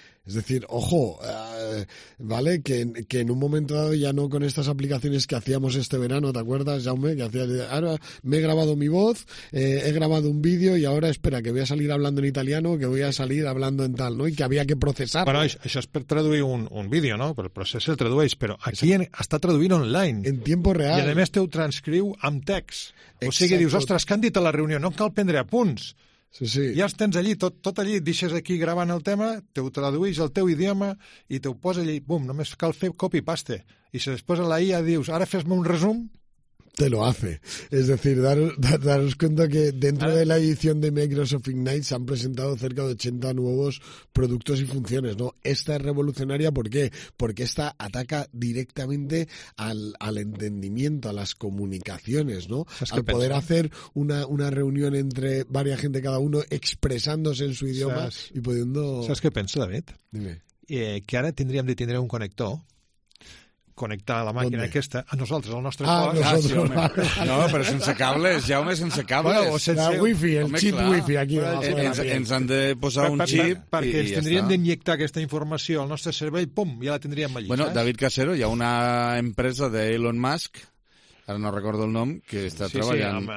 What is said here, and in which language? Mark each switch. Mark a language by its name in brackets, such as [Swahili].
[Spanish] Es decir, ojo, ¿vale? Que en un momento dado ya no con estas aplicaciones que hacíamos este verano, ¿te acuerdas, Jaume? Que hacía, ahora me he grabado mi voz, he grabado un vídeo y ahora, espera, que voy a salir hablando en italiano, que voy a salir hablando en tal, ¿no? Y que había que procesar. Bueno, eso es traduir un vídeo, ¿no? Pero el proceso [Catalan] el tradueix, [Spanish] pero aquí hasta traduir online. En tiempo real. [Catalan] I a més te ho transcriu amb text. Exacto. O sigui, dius, ostres, que han dit a la reunió, no cal prendre apunts. Sí, sí. Ja els tens allí, tot allí, deixes aquí gravant el tema, te ho traduïs al teu idioma i te ho posa allí, bum, només cal fer copy-paste. I si després a la IA dius, ara fes-me un resum... [Spanish] Te lo hace. Es decir, daros cuenta que dentro de la edición de Microsoft Ignite se han presentado cerca de 80 nuevos productos y funciones, ¿no? Esta es revolucionaria, ¿por qué? Porque esta ataca directamente al entendimiento, a las comunicaciones, ¿no? Es al poder pensé. Hacer una reunión entre varias gente, cada uno expresándose en su idioma. ¿Sabes? Y pudiendo... ¿Sabes qué pensé, David? Dime. Que ahora tendríamos de tener un conector... [Catalan] connectar a la màquina. [Spanish] ¿Dónde? [Catalan] Aquesta, a nosaltres, al nostre cos. Nosaltres. Ah, sí, no, però sense cables, Jaume, sense cables. Bueno, sense... El wifi, el home, xip clar. Wifi aquí. Bueno, ens han de posar un xip i ja perquè ens tindríem ja d'injectar aquesta informació al nostre cervell, pum, ja la tindríem allà. Bueno, saps? David Casero, hi ha una empresa d'Elon Musk, ara no recordo el nom, que està treballant